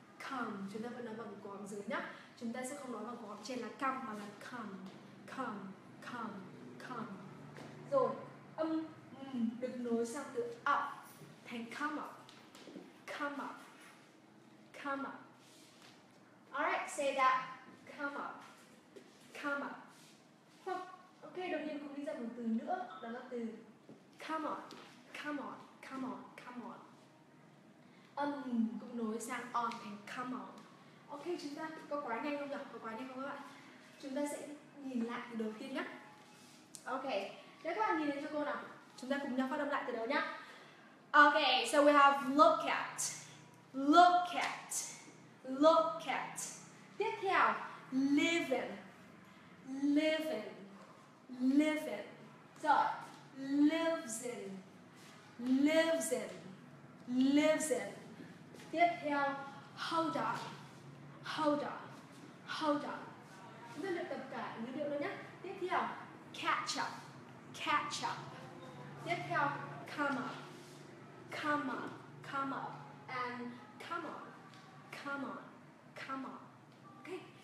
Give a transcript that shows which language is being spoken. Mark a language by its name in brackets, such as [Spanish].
[Vietnamese] Come, chúng ta vẫn nói bằng cổ họng dưới nhá. Chúng ta sẽ không nói bằng cổ họng trên là come mà là come, come, come, come. Rồi âm được nối sang từ up thành come up, come up, come up. [English] Alright, say that, come up, come up. [Vietnamese] Ok, đột nhiên cũng đi ra một từ nữa, đó là từ come on, come on, come on, come on. Âm cũng nối sang on thành come on. Ok, chúng ta có quá nhanh không nhỉ? Có quá nhanh không các bạn? Chúng ta sẽ nhìn lại từ đầu tiên nhé. Ok, để các bạn nhìn lên cho cô nào. Chúng ta cùng nhau phát âm lại từ đầu nhé. [English] Ok, so we have look at, look at, look at. [Vietnamese] Tiếp theo, live in, live in, live in. [English] Rồi, lives in, lives in, lives in. [Vietnamese] Tiếp theo, [English] hold on, hold on, hold on. [Vietnamese] Chúng ta luyện tập cả ngữ điệu luôn nhé. Tiếp theo, [English] Ketchup. Ketchup. [Vietnamese] Tiếp theo, [English] come up. Come up. Come up. And come on. Come on. Come on. Okay.